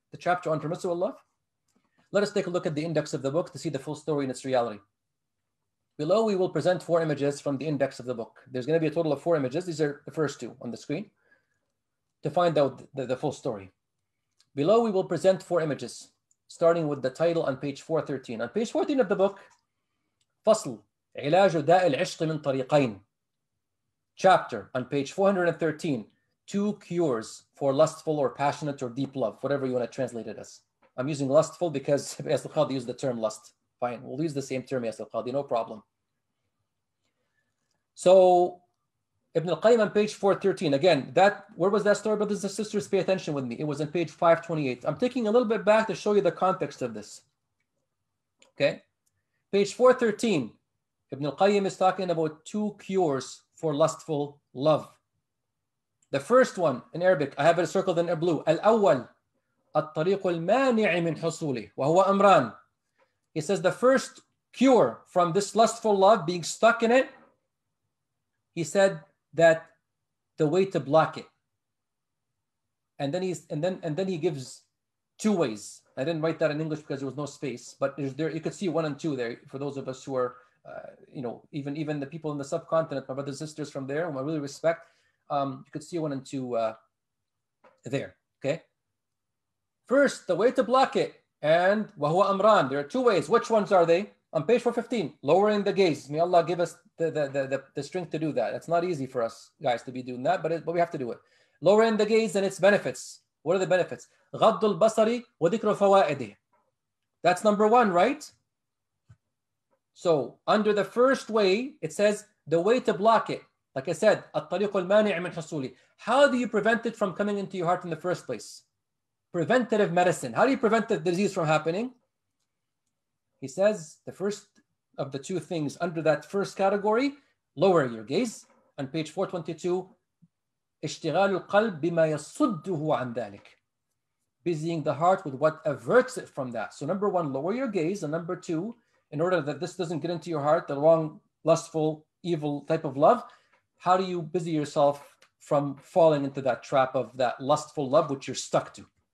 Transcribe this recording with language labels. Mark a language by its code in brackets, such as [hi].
[en] The chapter on permissible love? Let us take a look at the index of the book to see the full story in its reality. Below, we will present four images from the index of the book. There's going to be a total of four images. These are the first two on the screen to find out the full story. Below, we will present four images, starting with the title on page 413. On page 14 of the book, Fasl. [ar] علاج داء العشق من طريقين. [en] Chapter on page 413, two cures for lustful or passionate or deep love, whatever you want to translate it as. I'm using lustful because Yasir Qadhi used the term lust. Fine, we'll use the same term, Yasir Qadhi, no problem. So Ibn al-Qayyim on page 413, again, that where was that story, brothers and sisters? Pay attention with me. It was on page 528. I'm taking a little bit back to show you the context of this. Okay, page 413. Ibn al-Qayyim is talking about two cures for lustful love. The first one in Arabic, I have it circled in blue. Al-awwal, [ar] الطريق المانع من حصوله وهو أمران. [en] He says the first cure from this lustful love, being stuck in it, he said that the way to block it. And then he gives two ways. I didn't write that in English because there was no space, but there you could see one and two there for those of us who are, even the people in the subcontinent, my brothers and sisters from there, whom I really respect, you could see one and two there, okay? First, the way to block it, and [ar] وَهُوَ أَمْرَانَ, [en] there are two ways. Which ones are they? On page 415, lowering the gaze. May Allah give us the strength to do that. It's not easy for us guys to be doing that, but we have to do it. Lowering the gaze and its benefits. What are the benefits? [ar] غَضُّ الْبَصَرِ وَذِكْرُ فَوَائِدِهِ. [en] That's number one, right? So under the first way, it says the way to block it. Like I said, [ar] الطريق المانع من حصولي. [en] How do you prevent it from coming into your heart in the first place? Preventative medicine. How do you prevent the disease from happening? He says the first of the two things under that first category, lower your gaze. On page 422, [ar] اشتغال القلب بما يصده عن ذلك. [en] Busying the heart with what averts it from that. So number one, lower your gaze. And number two, in order that this doesn't get into your heart, the wrong, lustful, evil type of love, how do you busy yourself from falling into that trap of that lustful love which you're stuck to?